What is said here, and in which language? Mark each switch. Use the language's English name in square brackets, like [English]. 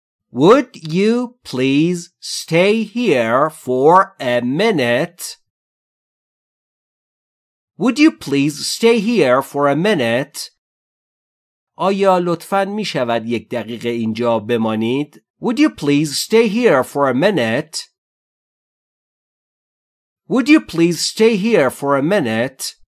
[English] Would you please stay here for a minute? Would you please stay here for a minute? [Persian] آیا لطفاً می شود یک دقیقه اینجا بمانید؟ [English] Would you please stay here for a minute? Would you please stay here for a minute?